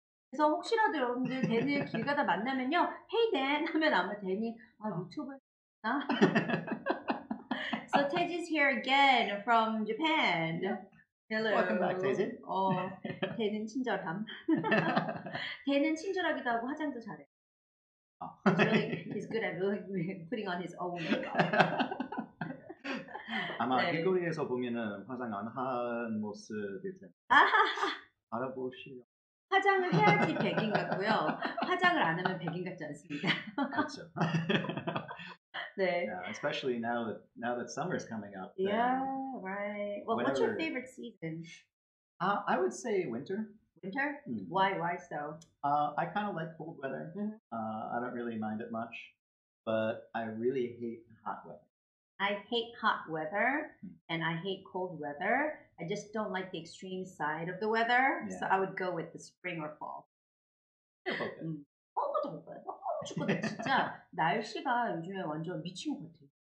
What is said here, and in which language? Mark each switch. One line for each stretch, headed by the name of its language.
Korean: 그래서 혹시라도 여러분들 댄을 길 가다 만나면요,
English: Hey Dan
Korean: 하면 아마 댄이 유튜브였나?
English: So Tejin's here again from Japan. Hello. Welcome back, Tejin.
Korean: 댄은 친절함. 댄은 친절하기도 하고 화장도 잘해.
English: He's really, he's good at putting on his own makeup.
Korean: 아마 길거리에서 보면은 화장 안 한 모습일 텐데. 알아보시죠. 화장을 해야지 백인 같고요. 화장을 안 하면 백인 같지 않습니다. 그렇죠. 네.
English: Yeah, especially now that summer is coming up. Yeah, right. Well, whenever... what's your favorite season? I would say winter. Winter? Why so? I kind of like cold weather. I don't really mind it much. But I really hate hot weather. I hate hot weather and I hate cold weather. I just don't like the extreme side of the weather, so I would go with the spring or fall.
Korean: 너무 더워요. 너무 춥고, 진짜 날씨가 요즘에 완전 미친 것 같아요.